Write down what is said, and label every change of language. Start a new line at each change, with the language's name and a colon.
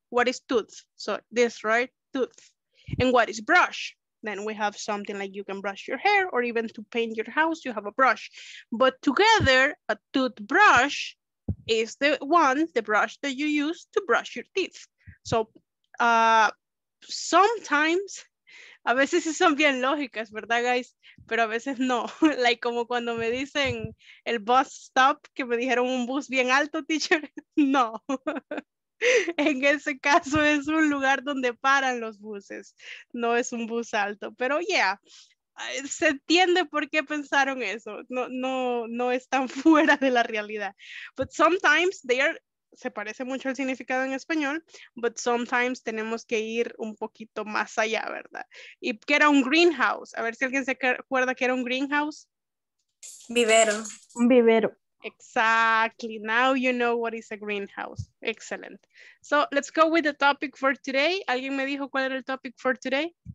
English: What is tooth? So this, right? Tooth. And what is brush? Then we have something like you can brush your hair or even to paint your house, you have a brush. But together, a toothbrush is the one, the brush that you use to brush your teeth. So sometimes,
Spanish: a veces sí son bien lógicas, ¿verdad, guys? Pero a veces no. Like como cuando me dicen el bus stop, que me dijeron un bus bien alto, teacher. No. En ese caso es un lugar donde paran los buses. No es un bus alto. Pero yeah, se entiende por qué pensaron eso. No es tan fuera de la realidad.
English: But sometimes they are,
Spanish: se parece mucho al significado en español,
English: but sometimes
Spanish: tenemos que ir un poquito más allá, ¿verdad? Y que era un greenhouse. A ver si alguien se acuerda que era un greenhouse. Vivero. Un vivero.
English: Exactly. Now you know what is a greenhouse. Excellent. So let's go with the topic for today.
Spanish: ¿Alguien me dijo cuál era el
English: topic for today?